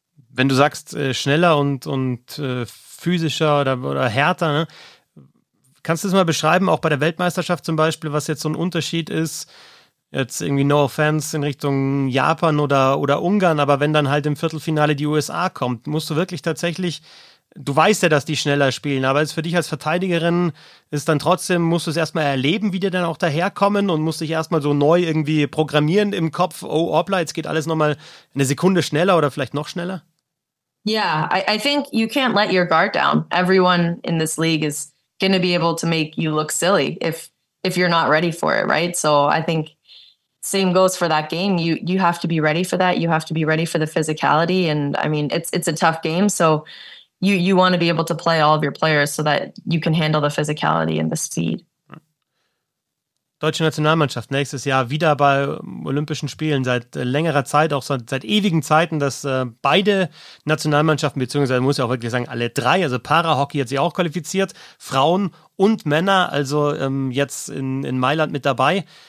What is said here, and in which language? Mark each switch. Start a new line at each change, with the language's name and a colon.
German: Wenn du sagst schneller und physischer oder härter. Ne? Kannst du das mal beschreiben, auch bei der Weltmeisterschaft zum Beispiel, was jetzt so ein Unterschied ist, jetzt irgendwie
English: no offense
German: in Richtung Japan oder Ungarn, aber wenn dann halt im Viertelfinale die USA kommt, musst du wirklich tatsächlich, du weißt ja, dass die schneller spielen, aber ist für dich als Verteidigerin ist dann trotzdem, musst du es erstmal erleben, wie die dann auch daherkommen und musst dich erstmal so neu irgendwie programmieren im Kopf, oh, hoppla, jetzt geht alles nochmal eine Sekunde schneller oder vielleicht noch schneller?
English: Yeah, I think you can't let your guard down. Everyone in this league is going to be able to make you look silly if you're not ready for it, right? So I think same goes for that game. You have to be ready for that. You have to be ready for the physicality. And I mean, it's a tough game. So you want to be able to play all of your players so that you can handle the physicality and the speed.
German: Deutsche Nationalmannschaft nächstes Jahr wieder bei Olympischen Spielen. Seit längerer Zeit, auch seit ewigen Zeiten, dass beide Nationalmannschaften, beziehungsweise muss ich auch wirklich sagen, alle drei, also Para-Hockey hat sich auch qualifiziert, Frauen und Männer, also jetzt in Mailand mit dabei.